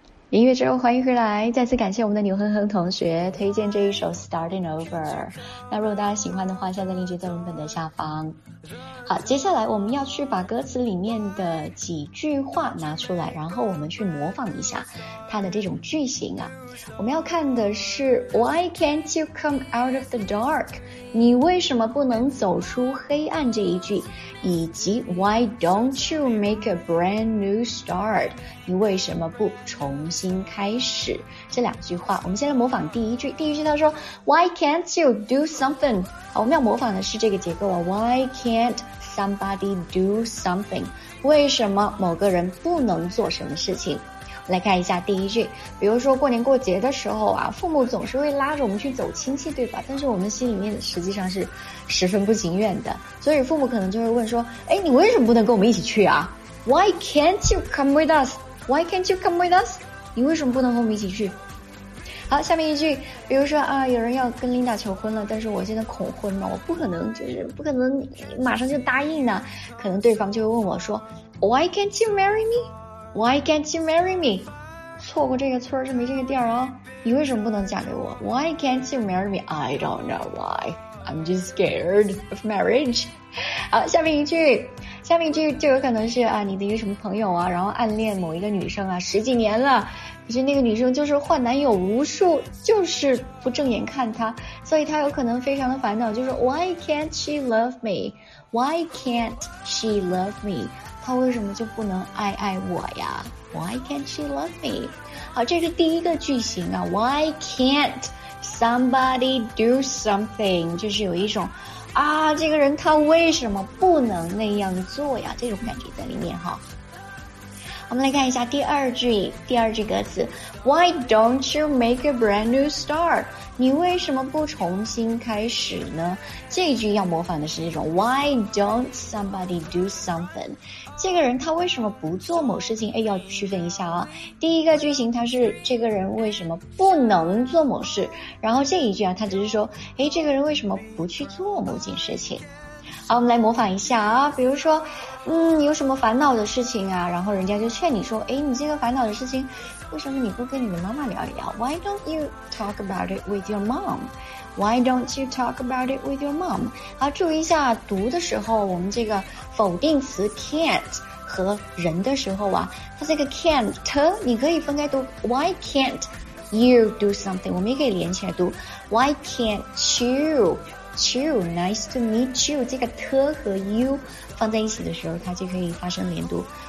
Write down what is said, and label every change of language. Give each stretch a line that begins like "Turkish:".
Chinese: 音乐之后，欢迎回来，再次感谢我们的牛哼哼同学推荐这一首 Starting Over。那如果大家喜欢的话，现在链接在文本的下方。好，接下来我们要去把歌词里面的几句话拿出来，然后我们去模仿一下它的这种句型啊。我们要看的是
English: Why can't you come out of the dark?
Chinese: 你为什么不能走出黑暗这一句，以及
English: Why don't you make a brand new start?
Chinese: 你为什么不重新开始，这两句话。我们先来模仿第一句。第一句他说
English: Why can't you do something?
Chinese: 好，我们要模仿的是这个结构啊。
English: Why can't somebody do something?
Chinese: 为什么某个人不能做什么事情。来看一下第一句，比如说过年过节的时候啊，父母总是会拉着我们去走亲戚，对吧？但是我们心里面实际上是十分不情愿的，所以父母可能就会问说，哎，你为什么不能跟我们一起去啊？
English: Why can't you come with us? Why can't you come with us?
Chinese: 你为什么不能和我们一起去？好，下面一句，比如说啊，有人要跟 Linda 求婚了，但是我现在恐婚嘛，我不可能就是不可能马上就答应呢。可能对方就会问我说
English: ，Why can't you marry me? Why can't you marry me?
Chinese: 错过这个村就没这个店啊！你为什么不能嫁给我
English: ？Why can't you marry me? I don't know why. I'm just scared of marriage.
Chinese: 好，下面一句。下面一句就有可能是啊，你的一个什么朋友啊，然后暗恋某一个女生啊，十几年了，可是那个女生就是换男友无数，就是不正眼看她，所以她有可能非常的烦恼，就是
English: Why can't she love me? Why can't she love me?
Chinese: 她为什么就不能爱我呀？
English: Why can't she love me?
Chinese: 好，这是第一个句型啊。
English: Why can't somebody do something?
Chinese: 就是有一种啊，这个人他为什么不能那样做呀，这种感觉在里面哈。我们来看一下第二句，第二句歌词
English: Why don't you make a brand new start?
Chinese: 你为什么不重新开始呢？这句要模仿的是这种
English: Why don't somebody do something?
Chinese: 这个人他为什么不做某事情，哎，要区分一下啊。第一个句型他是这个人为什么不能做某事，然后这一句啊，他只是说，哎，这个人为什么不去做某件事情。好，我们来模仿一下啊，比如说你有什么烦恼的事情啊，然后人家就劝你说，诶，你这个烦恼的事情为什么你不跟你的妈妈聊一聊？
English: Why don't you talk about it with your mom? Why don't you talk about it with your mom?
Chinese: 好，注意一下读的时候，我们这个否定词 can't 和人的时候啊，它这个 can't 你可以分开读
English: Why can't you do something?
Chinese: 我们也可以连起来读
English: Why can't youto nice to meet you,
Chinese: 这个 t 和 you 放在一起的时候它就可以发生连读。